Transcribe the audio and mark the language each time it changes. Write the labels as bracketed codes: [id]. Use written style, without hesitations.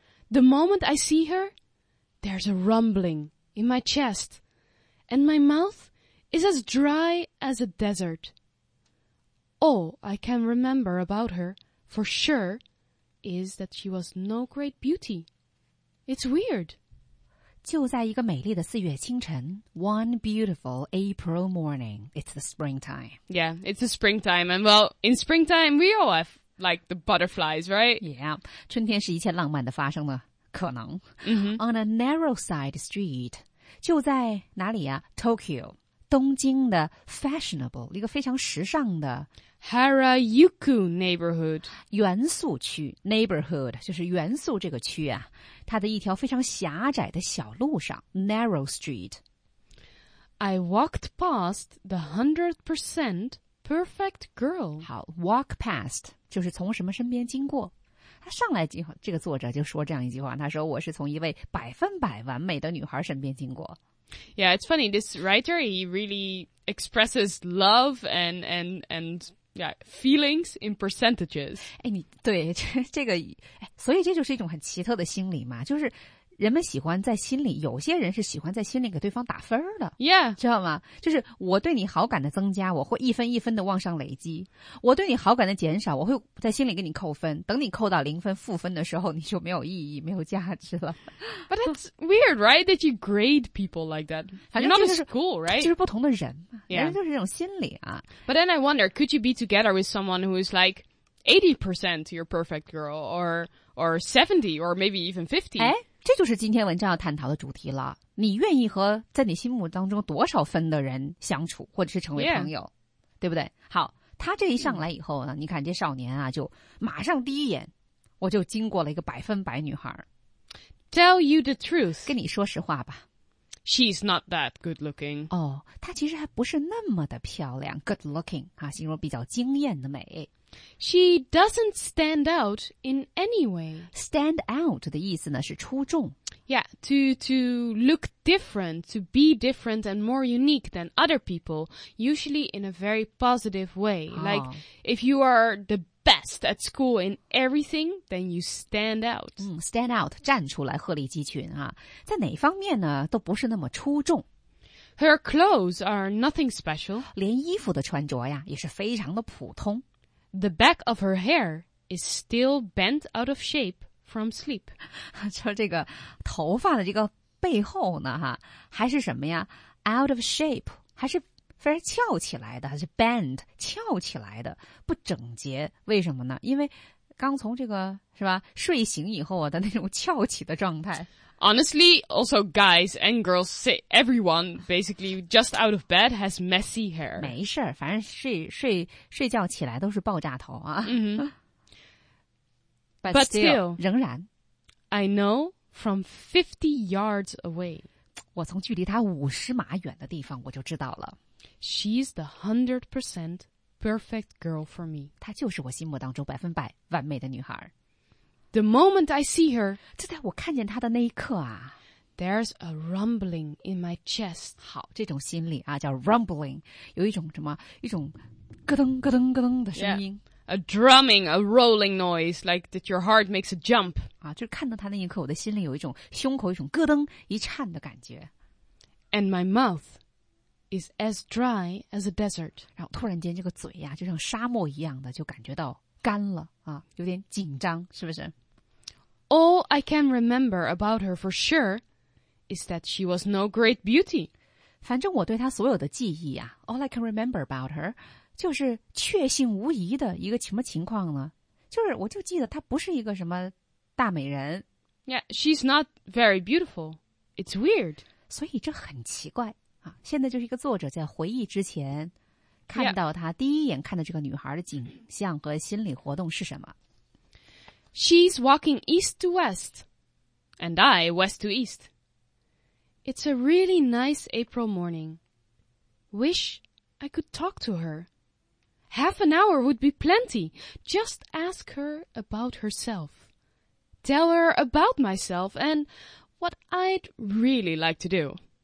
[en] The moment I see her, there's a rumbling in my chest, and my mouth is as dry as a desert. All I can remember about her, for sure, is that she was no great beauty. It's weird. [zh] 就在一个美丽的四月清晨 [en] One beautiful April morning. It's the springtime. Yeah, it's the springtime. And well, in springtime, we all have like the butterflies, right? [zh] Yeah, 春天是一切浪漫的发生的可能、 [en] mm-hmm. On a narrow side street, [zh] 就在哪里啊 [en] Tokyo, [zh] 东京的 [en] fashionable, [zh] 一个非常时尚的 [en] Harajuku neighborhood. 元素区 neighborhood, 就是元素这个区啊它的一条非常狭窄的小路上 narrow street. I walked past the 100% perfect girl. [zh] 好 walk past, 就是从什么身边经过。他上来这个作者就说这样一句话他说我是从一位百分百完美的女孩身边经过。 [en] Yeah, it's funny, this writer, he really expresses love and yeah, feelings in percentages. [zh] 哎，你对这个，所以这就是一种很奇特的心理嘛，就是人们喜欢在心里，有些人是喜欢在心里给对方打分的。 [en] Yeah. [zh] 知道吗？就是我对你好感的增加，我会一分一分的往上累积；我对你好感的减少，我会在心里给你扣分。等你扣到零分、负分的时候，你就没有意义、没有价值了。 [en] But that's weird, right? That you grade people like that. You're not a school, right? [zh] 就是不同的人嘛， yeah. 人就是这种心理啊。 [en] But then I wonder, could you be together with someone who is like 80% your perfect girl, or 70, or maybe even 50? [zh] 哎这就是今天文章要探讨的主题了。你愿意和在你心目当中多少分的人相处或者是成为朋友、 [en] yeah. [zh] 对不对好他这一上来以后呢、嗯、你看这少年啊就马上第一眼我就经过了一个百分百女孩。 [en] Tell you the truth. [zh] 跟你说实话吧。 [en] She's not that good looking. [zh] 哦她其实还不是那么的漂亮 good looking, 啊形容比较惊艳的美。 [en] She doesn't stand out in any way. [zh] Stand out 的意思呢是出众。 [en] Yeah, to look different, to be different and more unique than other people, usually in a very positive way.、 Oh. Like, if you are the best at school in everything, then you stand out.、 [zh] 嗯、stand out, 站出来鹤立鸡群啊。在哪方面呢都不是那么出众。 [en] Her clothes are nothing special. [zh] 连衣服的穿着呀也是非常的普通。 [en] The back of her hair is still bent out of shape from sleep. [zh] 说这个头发的这个背后呢哈还是什么呀 ?out of shape, 还是非常翘起来的还是 bent, 翘起来的不整洁。为什么呢因为刚从这个是吧睡醒以后的那种翘起的状态。 [en] Honestly, also guys and girls say everyone basically just out of bed has messy hair. [zh] 没事儿，反正睡觉起来都是爆炸头啊。 [en] Mm-hmm. But still, [zh] 仍然 [en] I know from 50 yards away. [zh] 我从距离他50码远的地方我就知道了。 [en] She's the 100% perfect girl for me. [zh] 她就是我心目当中百分百完美的女孩。 [en] The moment I see her, [zh] 就在我看见她的那一刻啊 [en] there's a rumbling in my chest. [zh] 好，这种心理啊，叫 rumbling， 有一种什么，一种咯噔咯噔咯噔的声音。 [en] Yeah. A drumming, a rolling noise, like that your heart makes a jump. [zh] 啊，就是看到她那一刻，我的心里有一种胸口一种咯噔一颤的感觉。 [en] And my mouth is as dry as a desert. [zh] 然后突然间这个嘴啊，就像沙漠一样的，就感觉到。干了啊，有点紧张，是不是 [en] ？All I can remember about her for sure is that she was no great beauty. [zh] 反正我对她所有的记忆啊 ， [en] all I can remember about her [zh] 就是确信无疑的一个什么情况呢？就是我就记得她不是一个什么大美人。 [en] Yeah, she's not very beautiful. It's weird. [zh] 所以这很奇怪啊！现在就是一个作者在回忆之前。看到她第一眼看到这个女孩的景象和心理活动是什么 [en] She's walking east to west And I west to east It's a really nice April morning Wish I could talk to her. Half an hour would be plenty. Just ask her about herself. Tell her about myself and what I'd really like to do.